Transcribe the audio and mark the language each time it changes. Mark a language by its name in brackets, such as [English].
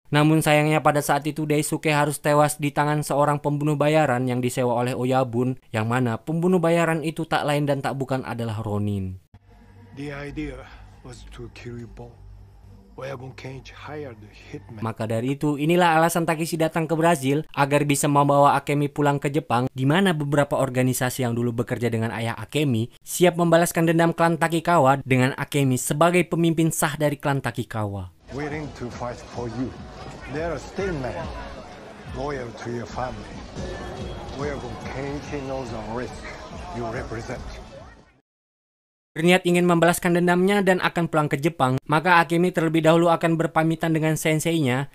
[Indonesian] Namun sayangnya pada saat itu Daisuke harus tewas di tangan seorang pembunuh bayaran yang disewa oleh Oyabun, yang mana pembunuh bayaran itu tak lain dan tak bukan adalah Ronin. [English] The idea was to kill you both. Oyabun Kenichi hired the hitman. [Indonesian] Maka dari itu, inilah alasan Takeshi datang ke Brazil agar bisa membawa Akemi pulang ke Jepang, di mana beberapa organisasi yang dulu bekerja dengan ayah Akemi siap membalaskan dendam klan Takikawa dengan Akemi sebagai pemimpin sah dari klan Takikawa. [English] Waiting to fight for you. There are still men loyal to your family. Oyabun Kenichi knows the risk you represent. [Indonesian] Berniat ingin membalaskan dendamnya dan akan pulang ke Jepang, maka Akemi terlebih dahulu akan berpamitan dengan senseinya.